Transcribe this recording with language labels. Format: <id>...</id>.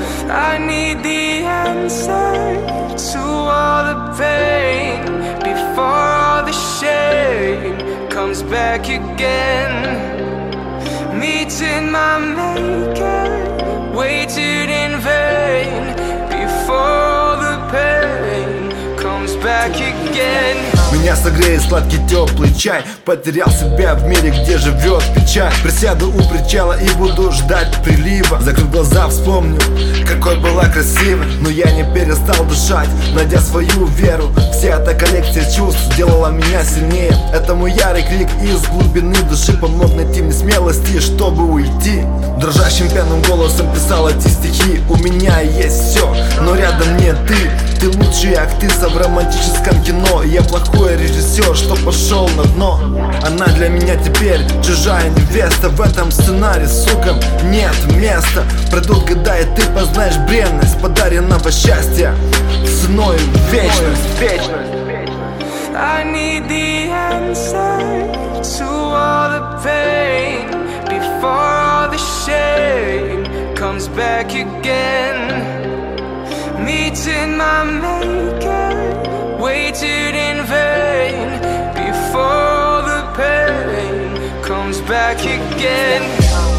<en>I need the answer to all the pain before all the shame comes back again. Meeting my maker, waited in vain before the pain comes back again.</en> <ru>Меня согреет сладкий теплый чай. Потерял себя в мире, где живет печаль. Присяду у причала и буду ждать прилива. Закрыв глаза, вспомню, какой была красивой. Но я не перестал дышать, найдя свою веру. Вся эта коллекция чувств сделала меня сильнее. Это мой ярый крик из глубины души. Помог найти мне смелости, чтобы уйти. Дрожащим пьяным голосом писал эти стихи. У меня есть все, но рядом не ты. Ты лучшая актриса в романтическом кино. Я плохой режиссер, что пошел на дно. Она для меня теперь чужая невеста. В этом сценарии, сука, нет места. Пройдут года, и ты познаешь бренность подаренного счастья ценой вечность. Вечность.</ru> <en>I need the answer to all the pain before all the shame comes back again. Meeting my maker, waited in vain before the pain comes back again.</en>